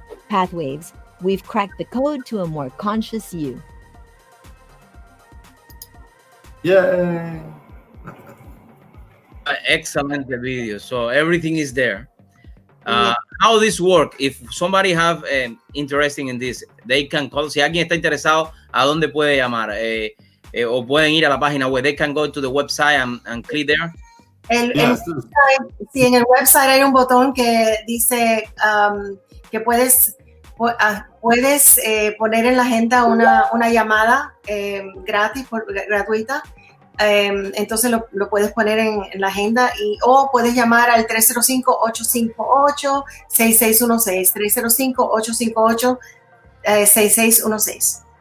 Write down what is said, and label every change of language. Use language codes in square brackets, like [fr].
[en] Pathwaves, we've cracked the code to a more conscious you. Yay! Excellent video. So everything is there. How this work? If somebody have interesting in this, they can call. [es] Si alguien está interesado, ¿a dónde puede llamar? O pueden ir a la página web. [en] They can go to the website and click there. [es] Si en el website hay un botón que dice que puedes poner en la agenda una llamada gratis, gratuita. Entonces lo puedes poner en la agenda o puedes llamar al 305-858-6616, 305-858-6616.